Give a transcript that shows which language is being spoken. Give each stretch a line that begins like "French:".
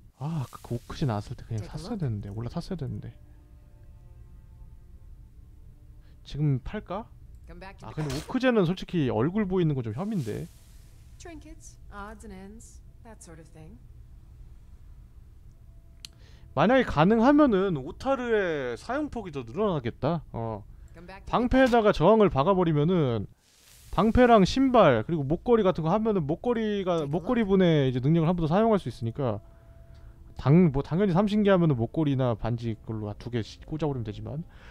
Korean: 아, 그 옷이 나왔을 때 그냥 샀어야 되는데. 몰라 샀어야 되는데. 지금 팔까? 아, 근데 오크제는 솔직히 얼굴 보이는 거 좀 혐인데.
English: Trinkets, odds and ends, that sort of thing.
Korean: 만약에 가능하면은 오타르의 사용폭이 더 늘어나겠다. 방패에다가 저항을 박아버리면은 방패랑 신발 그리고 목걸이 같은 거 하면은 목걸이가 목걸이분의 이제 능력을 한 번 더 사용할 수 있으니까 뭐 당연히 삼신기 하면은 목걸이나 반지 걸로 두 개 꽂아버리면 되지만.